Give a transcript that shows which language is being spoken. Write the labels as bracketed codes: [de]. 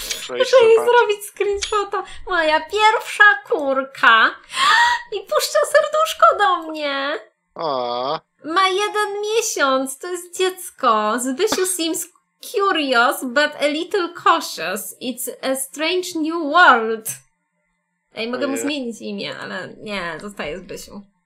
[pl] muszę jej zrobić screenshota. Moja pierwsza kurka. I puszcza serduszko do mnie. O. Ma 1 miesiąc, to jest dziecko. [en] Zbysiu seems curious, but a little cautious. It's a strange new world. [pl] Ej, mogę mu zmienić imię, ale nie, zostaje Zbysiu.